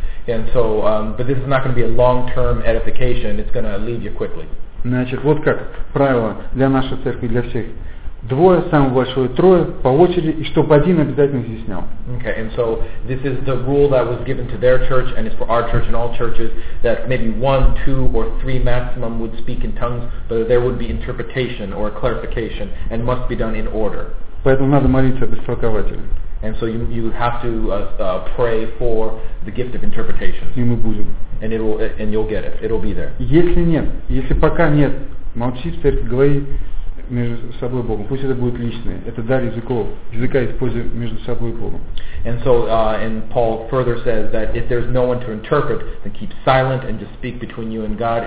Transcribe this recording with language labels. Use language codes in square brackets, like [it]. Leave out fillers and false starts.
[en] And so, but this is not going to be a long-term edification. It's going to leave you quickly. [ru] Значит, вот как правило для нашей церкви, для всех: двое, самое большое, трое по очереди, и чтобы один обязательно изъяснял. [en] Okay, and so this is the rule that was given to their church, and it's for our church and all churches that maybe one, two, or three maximum would speak in tongues, but there would be interpretation or clarification, and must be done in order. [ru] Поэтому надо молиться об истолкователе. [en] And so you have to pray for the gift of interpretation. [ru] И мы будем. [en] And it will, and you'll get it. It'll be there. [ru] Если нет, если пока нет, молчи в церкви, говори между собой Богом. Пусть это будет личное. Это дар языков. Языка используем между собой Богом. [en] And so, and Paul further says that if there's no one to interpret, then keep silent and just speak between you and God.